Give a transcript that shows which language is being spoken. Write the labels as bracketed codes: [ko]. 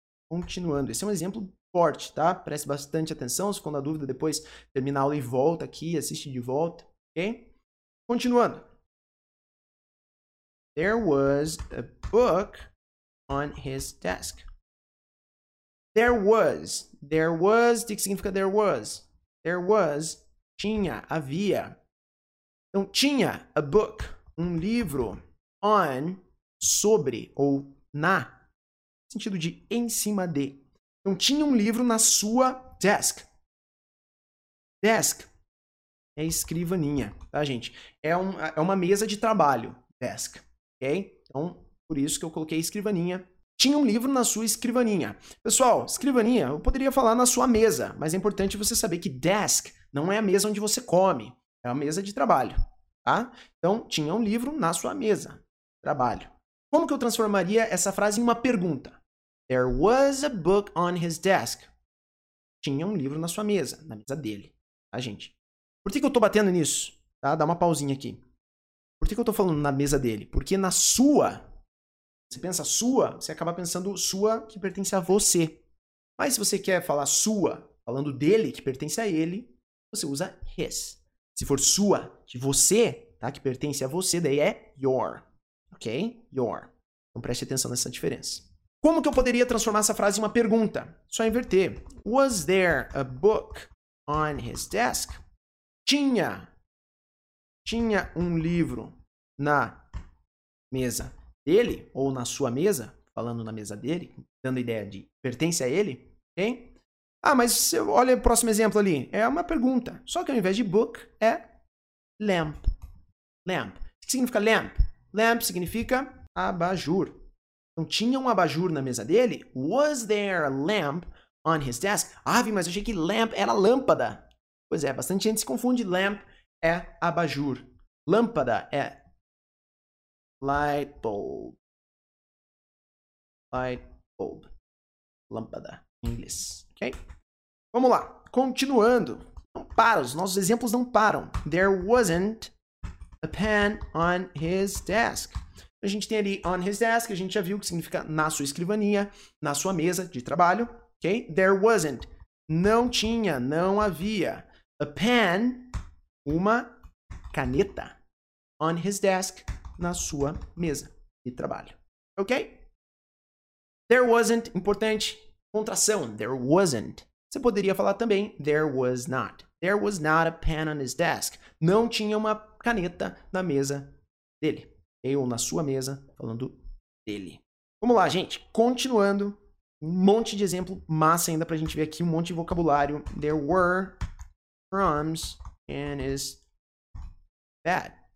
[pt] Continuando. Esse é um exemplo forte, tá? Preste bastante atenção. Se ficou na dúvida, depois termina a aula e volta aqui, assiste de volta. Ok? Continuando. [en] There was a book on his desk. There was. [pt] O que significa [en] there was? There was. [pt] Tinha. Havia. Então, tinha [en] a book. [pt] Um livro. On. Sobre ou na, no sentido de em cima de. Então, tinha um livro na sua desk. Desk é escrivaninha, tá, gente? É uma mesa de trabalho, desk, ok? Então, por isso que eu coloquei escrivaninha. Tinha um livro na sua escrivaninha. Pessoal, escrivaninha, eu poderia falar na sua mesa, mas é importante você saber que desk não é a mesa onde você come, é a mesa de trabalho, tá? Então, tinha um livro na sua mesa de trabalho. Como que eu transformaria essa frase em uma pergunta? [en] There was a book on his desk. [pt] Tinha um livro na sua mesa, na mesa dele. Tá, gente? Por que que eu tô batendo nisso? Tá? Dá uma pausinha aqui. Por que que eu tô falando na mesa dele? Porque na sua, você pensa sua, você acaba pensando sua que pertence a você. Mas se você quer falar sua, falando dele, que pertence a ele, você usa his. Se for sua, de você, tá? Que pertence a você, daí é your. Ok? Your. Então preste atenção nessa diferença. Como que eu poderia transformar essa frase em uma pergunta? Só inverter. [en] Was there a book on his desk? [pt] Tinha um livro na mesa dele? Ou na sua mesa? Falando na mesa dele? Dando ideia de pertence a ele? Ok? Ah, mas você olha o próximo exemplo ali. É uma pergunta. Só que ao invés de book, é lamp. Lamp. O que significa lamp? Lamp significa abajur. Então, tinha um abajur na mesa dele? [en] Was there a lamp on his desk? [pt] Ah, mas eu achei que lamp era lâmpada. Pois é, bastante gente se confunde. Lamp é abajur. Lâmpada é light bulb. Light bulb. Lâmpada em inglês. Ok? Vamos lá. Continuando. Não para. Os nossos exemplos não param. [en] There wasn't a pen on his desk. [pt] A gente tem ali [en] on his desk, [pt] a gente já viu que significa na sua escrivaninha, na sua mesa de trabalho, ok? [en] There wasn't. [pt] Não tinha, não havia. [en] A pen, [pt] uma caneta. [en] On his desk, [pt] na sua mesa de trabalho, ok? [en] There wasn't, [pt] importante, contração. [en] There wasn't. [pt] Você poderia falar também [en] there was not. There was not a pen on his desk. [pt] Não tinha uma caneta na mesa dele. Ou na sua mesa, falando dele. Vamos lá, gente. Continuando. Um monte de exemplo massa ainda pra gente ver aqui. Um monte de vocabulário. [en] There were crumbs in his bed.